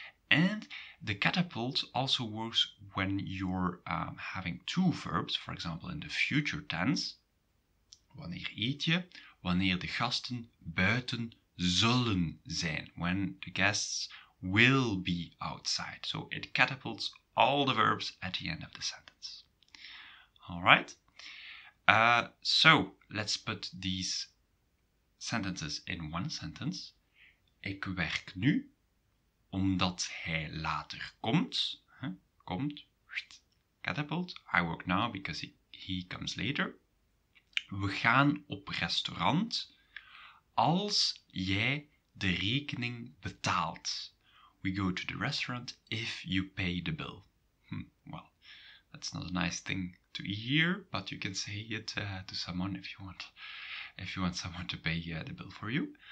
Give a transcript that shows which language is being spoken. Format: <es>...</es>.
<en>And the catapult also works when you're having two verbs, for example, in the future tense.</en> <nl>Wanneer eet je? Wanneer de gasten buiten zullen zijn.</nl> <en>When the guests will be outside. So it catapults all the verbs at the end of the sentence. All right. So let's put these sentences in one sentence.</en> <nl>Ik werk nu omdat hij later komt. Komt. Catapult.</nl> <en>I work now because he comes later.</en> <nl>We gaan op restaurant als jij de rekening betaalt.</nl> <en>We go to the restaurant if you pay the bill. Well, that's not a nice thing to hear, but you can say it to someone if you want someone to pay the bill for you.</en>